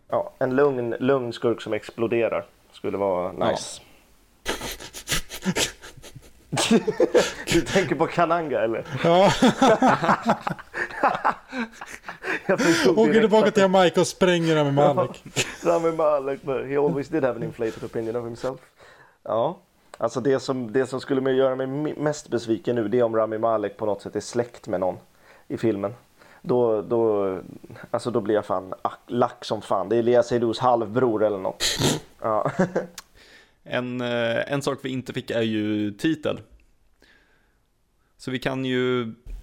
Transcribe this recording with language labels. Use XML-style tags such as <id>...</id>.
<sv>Ja, en lugn skurk som exploderar skulle vara nice. Ja. Du tänker på Kananga, eller? Ja. Åker tillbaka till Jamaica och spränger med Malek.</sv> <en>Rami Malek, he always did have an inflated opinion of himself.</en> <sv>Ja, alltså det som skulle göra mig mest besviken nu, det är om Rami Malek på något sätt är släkt med någon i filmen. Då alltså då blir jag fan lack som fan. Det är Lea Seydoux halvbror eller något. Ja. En sak vi inte fick är ju titel. Så vi kan ju...</sv>